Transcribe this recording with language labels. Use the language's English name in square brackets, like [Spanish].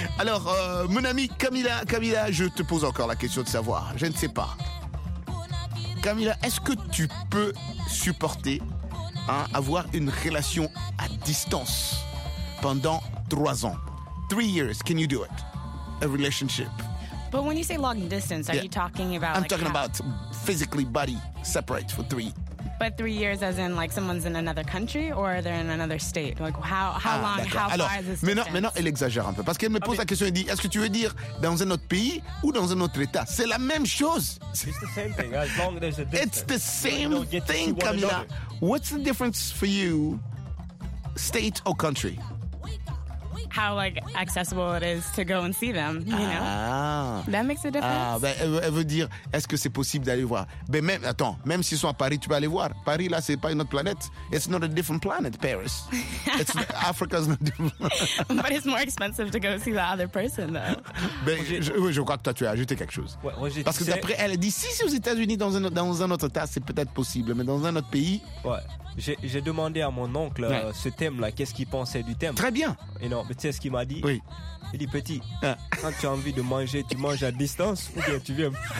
[French] Alors, mon ami Camila, je te pose encore la question de savoir. Je ne sais pas. Camila, est-ce que tu peux supporter avoir une relation à distance pendant 3 ans? [English] 3 years, can you do it? A relationship. But when you say long distance, are you talking about... I'm talking about physically body separate for 3 years. But 3 years as in like someone's in another country or they're in another state? Like how long, how far is this distance? [French] Maintenant, elle exagère un peu parce qu'elle me pose la question, elle dit, est-ce que tu veux dire dans un autre pays ou dans un autre état? C'est la même chose. [English] It's the same thing, as long as there's a distance. It's the same thing, Camila. What's the difference for you, state or country? How like accessible it is to go and see them, you know? That makes a difference. [French] Elle veut dire, est-ce que c'est possible d'aller voir? Mais même s'ils sont à Paris, tu peux aller voir. Paris là, c'est pas une autre planète. [English] It's not a different planet, Paris. It's Africa's not different. But it's more expensive to go see the other person, though. [French] Mais je crois que toi, tu as ajouté quelque chose. Ouais, Roger, parce que d'après, elle dit, si c'est aux États-Unis, dans un autre état, c'est peut-être possible, mais dans un autre pays. Ouais. J'ai demandé à mon oncle ce thème-là, qu'est-ce qu'il pensait du thème. Très bien. Et non, mais tu sais ce qu'il m'a dit? Oui. Il dit, petit, quand tu as envie de manger, tu manges à distance ou bien tu viens?